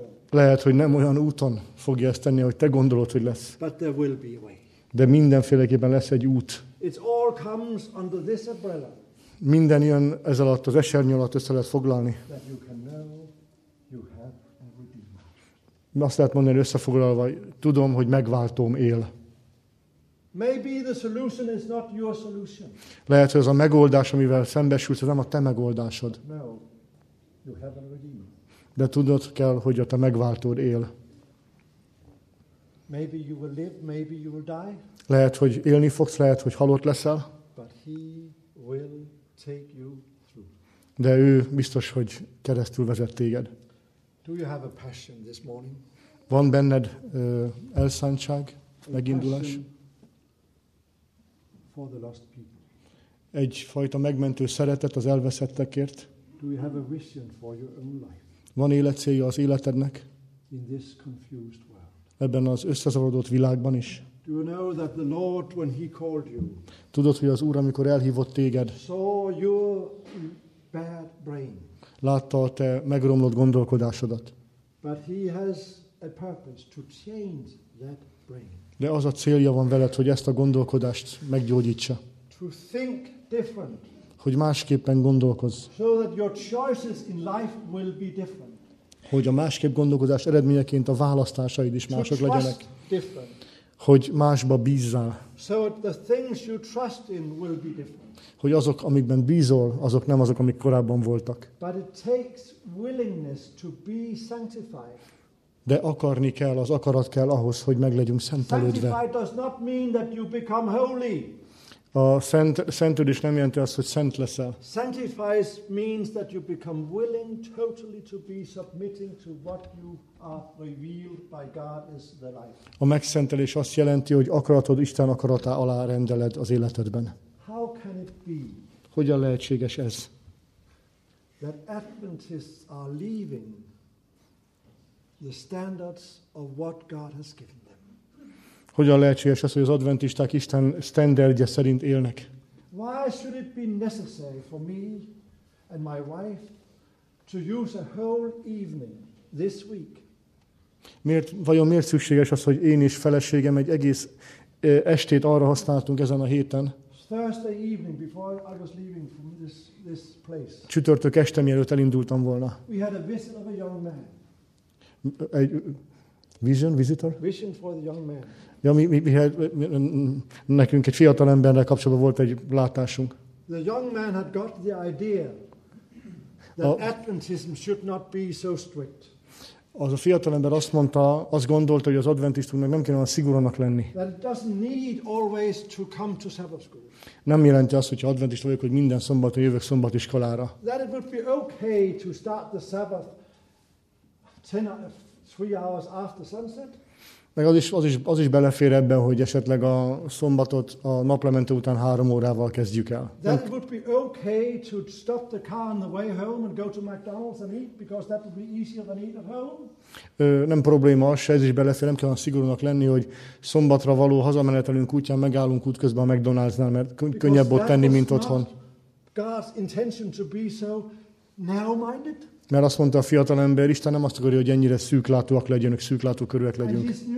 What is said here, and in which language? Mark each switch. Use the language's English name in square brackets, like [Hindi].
[Hungarian] Lehet, hogy nem olyan úton fogja ezt tenni, hogy te gondolod, hogy lesz. [English] But there will be a way. [Hungarian] De mindenféleképpen lesz egy út. [English] It all comes under this umbrella. [Hungarian] Minden ilyen ez alatt, az esernyő alatt össze lehet foglalni. [English] That you can know you have a redeemer. [Hungarian] azt lehet mondani összefoglalva, tudom, hogy megváltóm él. [English] Maybe the solution is not your solution. [Hungarian] Lehet, hogy ez a megoldás, amivel szembesülsz, ez nem a te megoldásod. [English] No, you have a redeemer. [Hungarian] De tudod kell, hogy a te megváltód él. [English] Maybe you will live, maybe you will die. [Hungarian] Lehet, hogy élni fogsz, lehet, hogy halott leszel. [English] But he will take you through. [Hungarian] De ő biztos, hogy keresztül vezet téged. [English] Do you have a passion this morning? [Hungarian] Van benned elszántság, megindulás? [English] For the lost people. [Hungarian] Egyfajta megmentő szeretet az elveszettekért. [English] Do you have a vision for your own life? [Hungarian] Van életcélja az életednek? [English] In this confused world. [Hungarian] Ebben az összezavarodott világban is. [English] Do you know that the Lord, when he called you, [Hungarian] tudod, hogy az Úr, amikor elhívott téged, [English] saw your bad brain. [Hungarian] Látta a te megromlott gondolkodásodat. [English] But he has a purpose to change that brain. [Hungarian] De az a célja van veled, hogy ezt a gondolkodást meggyógyítsa. [English] To think different. [Hungarian] Hogy másképpen gondolkozz. [English] So that your choices in life will be different. [Hungarian] Hogy a másképp gondolkodás eredményeként a választásaid is mások [English] to [Hungarian] legyenek. [English] Trust different. [Hungarian] Hogy másba bízzál. [English] So the things you trust in will be different. [Hungarian] Hogy azok, amikben bízol, azok nem azok, amik korábban voltak. [English] But it takes willingness to be sanctified. [Hungarian] De akarni kell, az akarat kell ahhoz, hogy meglegyünk szentelődve. [English] Sanctified does not mean that you become holy. [Hungarian] A szentelődés nem jelenti azt, hogy szent leszel. [English] Sanctified means that you become willing totally to be submitting to what you are revealed by God is the life. [Hungarian] A megszentelés azt jelenti, hogy akaratod Isten akaratá alá rendeled az életedben. [English] How can it be? [Hungarian] Hogyan lehetséges ez? [English] That Adventists are leaving the standards of what God has given them. [Hungarian] Hogyan lehetséges az, hogy az adventisták Isten standardje szerint élnek? [English] Why should it be necessary for me and my wife to use a whole evening this week? [Hungarian] Miért szükséges az, hogy én és feleségem egy egész estét arra használtunk ezen a héten? [English] Thursday evening before I was leaving from this place. [Hungarian] Csütörtök este, mielőtt elindultam volna. [English] We had a visit of a young man. [Hungarian] Egy visitor? [English] Vision for the young man. [Hungarian] Ja, mi nekünk egy fiatal emberre kapcsolatban volt egy látásunk. [English] The young man had got the idea that Adventism should not be so strict. [Hungarian] Az a fiatal ember azt mondta, azt gondolta, hogy az adventistunknak nem kéne olyan szigorúnak lenni. [English] That it doesn't need always to come to Sabbath school. [Hungarian] Nem jelenti azt, hogyha adventista vagyok, hogy minden szombaton jövök szombatiskolára. [English] That it would be okay to start the Sabbath 3 hours after sunset. [Hungarian] Meg az is belefér ebben, hogy esetleg a szombatot a naplemente után 3 órával kezdjük el. [English] That would be okay to stop the car on the way home and go to McDonald's and eat, because that would be easier than eat at home. [Hungarian] Nem probléma, ez is belefér, nem kell olyan szigorúnak lenni, hogy szombatra való hazamenetelünk útján megállunk útközben a McDonald's-nál, mert könnyebb ott tenni, mint otthon. [English] God's intention to be so narrow-minded. [Hungarian] Mert azt mondta a fiatal ember, Isten nem azt akarja, hogy ennyire szűklátóak legyenek, szűklátókörűek legyünk.